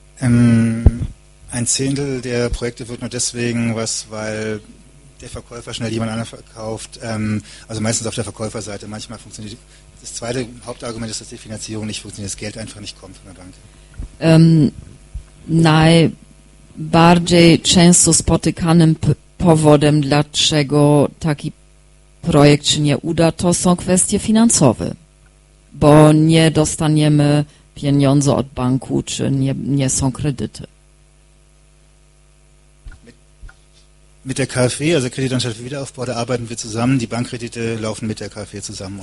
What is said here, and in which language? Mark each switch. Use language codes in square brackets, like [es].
[de] Ein Zehntel der Projekte wird nur deswegen was, weil der Verkäufer schnell jemand anderen verkauft, also meistens auf der Verkäuferseite. Manchmal funktioniert das zweite Hauptargument ist, dass die Finanzierung nicht funktioniert, das Geld einfach nicht kommt von der Bank. [pl] Najbardziej często spotykanym powodem, dlaczego taki projekt się nie uda, to są kwestie finansowe, bo nie dostaniemy pieniądze od banku, czy nie są kredyty. [de] Mit der KfW, also Kreditanstalt für Wiederaufbau, da arbeiten wir zusammen. Die Bankkredite laufen mit der KfW zusammen.